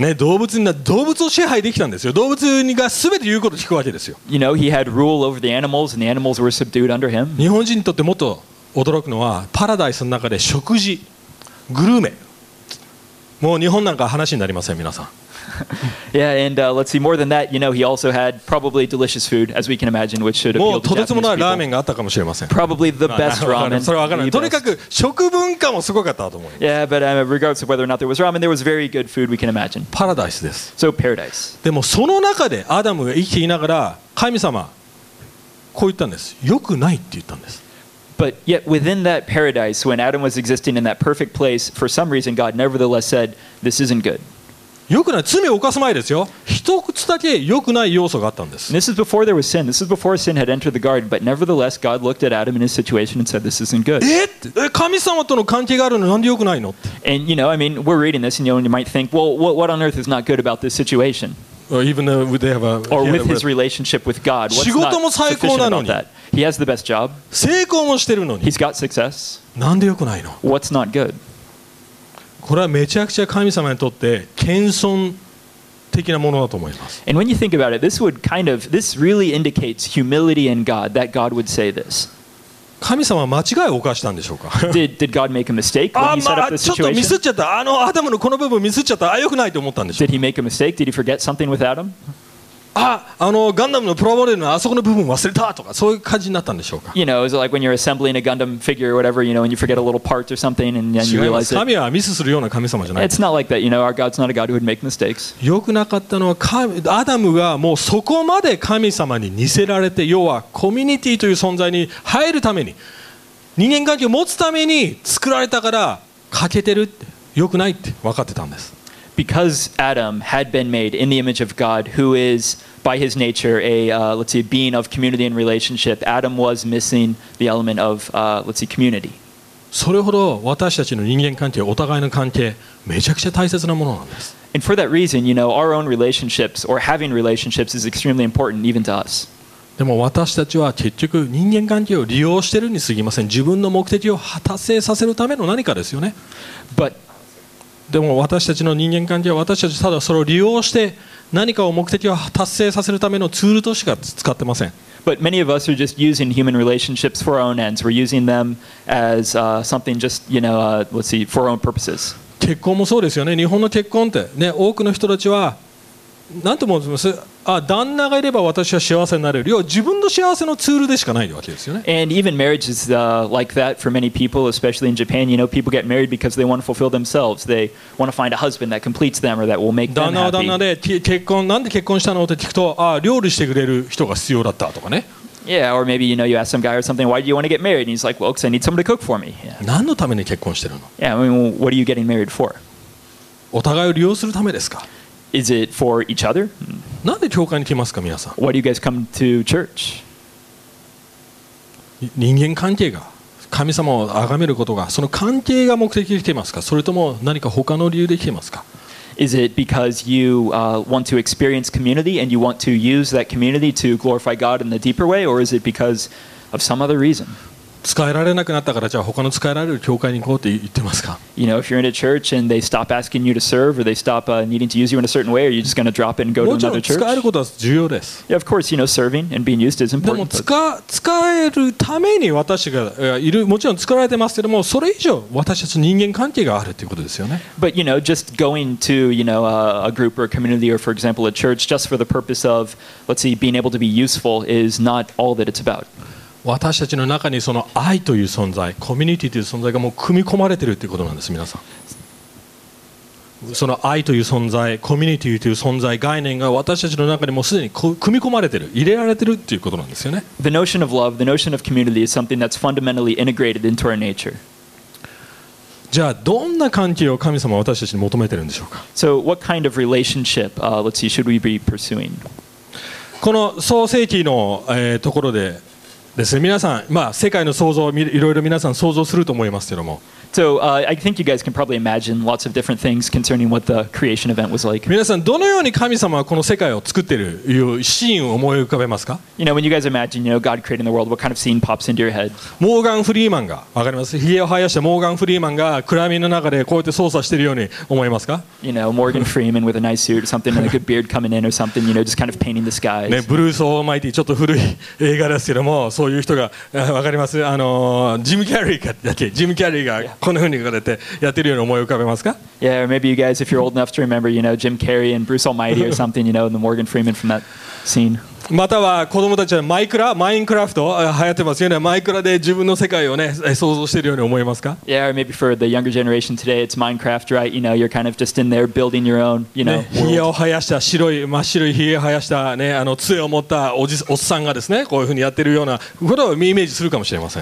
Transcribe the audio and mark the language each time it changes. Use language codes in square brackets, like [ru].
[ja] ね、動物を支配できたんですよ。動物が全て言うことを聞くわけですよ。 [en] You know, he had rule over the animals, and the animals were subdued under him. [ja] 日本人にとってもっと驚くのは、パラダイスの中で食事、グルメ。もう日本なんか話になりません、皆さん。 [en] Yeah, and let's see, more than that, you know, he also had probably delicious food, as we can imagine, which should appeal [ja] もうとてつもないラーメンがあったかもしれません。 [en] Probably the best ramen. [ja] それは分からない。とにかく食文化もすごかったと思います。 [en] Yeah, but regardless of whether or not there was ramen, there was very good food, we can imagine. [ja] パラダイスです。 [en] So, paradise. [ja] でもその中でアダムが生きていながら、神様、こう言ったんです。良くないって言ったんです。 [en] But yet within that paradise, when Adam was existing in that perfect place, for some reason, God nevertheless said, this isn't good. [ja] 良くない、罪を犯す前ですよ。一つだけ良くない要素があったんです。 [en] This is before there was sin. This is before sin had entered the garden. But nevertheless, God looked at Adam in his situation and said, "This isn't good." [ja] 神様との関係があるのなんで良くないの？ [en] And you know, I mean, we're reading this, and you know, you might think, "Well, what on earth is not good about this situation?" Or even though they have a or with his relationship with God, what's not sufficient about that? He has the best job. [ja] 成功もしてるのに。 [en] He's got success. [ja] なんで良くないの? [en] What's not good? [ja] これはめちゃくちゃ神様にとって謙遜的なものだと思います。 [en] And when you think about it, this would kind of, this really indicates humility in God, that God would say this. [ja] 神様は間違いを犯したんでしょうか? [en] did God make a mistake when he set up the situation? [ja] ちょっとミスっちゃった。アダムのこの部分ミスっちゃった。あ、よくないと思ったんでしょ [en] う。Did he make a mistake? Did he forget something with Adam? [ja] ガンダムのプラモデルのあそこの部分忘れたとか、そういう感じになったんでしょうか? [en] You know, is it like when you're assembling a Gundam figure or whatever, you know, and you forget a little part or something and then you realize it? [ja] 神はミスするような神様じゃない。 [en] It's not like that, you know, our God's not a God who would make mistakes. [ja] よくなかったのは、アダムがもうそこまで神様に似せられて、要はコミュニティという存在に入るために、人間関係を持つために作られたから、欠けてるって、よくないって分かってたんです。 [en] Because Adam had been made in the image of God, who is by his nature a being of community and relationship, Adam was missing the element of community. [ja] それほど私たちの人間関係、お互いの関係、めちゃくちゃ大切なものなんです。 [en] And for that reason, you know, our own relationships or having relationships is extremely important even to us. [ja] でも私たちは結局人間関係を利用してるにすぎません。自分の目的を達成させるための何かですよね。 [en] But [ja] でも私たちの人間関係は私たちただそれを利用して何かを目的を達成させるためのツールとしか使ってません。 [en] But many of us are just using human relationships for our own ends. We're using them as something just, you know, let's see, for our own purposes. [ja] 結婚もそうですよね。日本の結婚って、ね、多くの人たちは何と思うんですか。旦那がいれば私は幸せになれる。要は自分の幸せのツールでしかないわけですよね。 [en] And even marriage is like that for many people, especially in Japan. You know, people get married because they want to fulfill themselves. They want to find a husband that completes them or that will make them happy. [ja] 旦那は旦那で結婚なんで結婚したのって聞くと、料理してくれる人が必要だったとかね。 [en] Yeah, or maybe you know, you ask some guy or something, why do you want to get married? And he's like, well, because I need someone to cook for me. Yeah. [ja] 何のために結婚してるの [en] ？Yeah, I mean, what are you getting married for? [ja] お互いを利用するためですか？ [en] Is it for each other? [ja] なんで教会に来ますか、皆さん。 [en] Why do you guys come to church? [ja] 人間関係が、神様を崇めることが、その関係が目的で来てますか、それとも何か他の理由で来てますか。 [en] Is it because you want to experience community and you want to use that community to glorify God in a deeper way, or is it because of some other reason? [ja] 使えられなくなったからじゃあ他の使えられる教会に行こうって言ってますか? [en] You know, if you're in a church and they stop asking you to serve or they stop needing to use you in a certain way, are you just going to drop it and go to another church? [ja] もちろん使えることは重要です。 [en] Yeah, of course, you know, serving and being used is important. [ja] でも使えるために私がいる、もちろん使われてますけども、それ以上私たちの人間関係があるということですよね。 [en] But, you know, just going to, you know, a group or a community or, for example, a church just for the purpose of, let's see, being able to be useful is not all that it's about. [ja] 私たちの中にその愛という存在、コミュニティという存在がもう組み込まれているということなんです、皆さん。その愛という存在、コミュニティという存在、概念が私たちの中にもうすでに組み込まれている、入れられているということなんですよね。 [en] The notion of love, the notion of community is something that's fundamentally integrated into our nature. [ja] じゃあどんな関係を神様は私たちに求めているんでしょうか。 [en] So what kind of relationship, let's see, should we be pursuing? [ja] この創世記の、ところでですね、皆さん、まあ、世界の想像をいろいろ皆さん想像すると思いますけども。 [en] So, I think you guys can probably imagine lots of different things concerning what the creation event was like. [ja] 皆さん、どのように神様はこの世界を作っているというシーンを思い浮かべますか? [en] You know, when you guys imagine, you know, God creating the world, what kind of scene pops into your head? [ja] モーガン・フリーマンが、わかります?ヒゲを生やしたモーガン・フリーマンが暗闇の中でこうやって操作しているように思いますか? [en] You know, Morgan Freeman with a nice suit or something, and a good beard coming in or something, you know, just kind of painting the skies. [ja] ね、ブルース・オーマイティ、ちょっと古い映画ですけども、そういう人が、わかります? ジム・キャリーか、だっけ?ジム・キャリーが、 [en] yeah. [ja] こんな風に言われてやってるように思い浮かべますか? [en] Yeah, or maybe you guys, if you're old enough to remember, you know, Jim Carrey and Bruce Almighty or something, you know, and the Morgan Freeman from that scene. [ja] または子供たちはマイクラ、マインクラフト流行ってますよね。マイクラで自分の世界をね、想像してるように思いますか? [en] Yeah, or maybe for the younger generation today, it's Minecraft, right? You know, you're kind of just in there building your own, you know, world. [ja] ヒゲを生やした白い、真っ白いヒゲ生やしたね、杖を持ったおっさんがですね、こういう風にやってるようなことをイメージするかもしれません。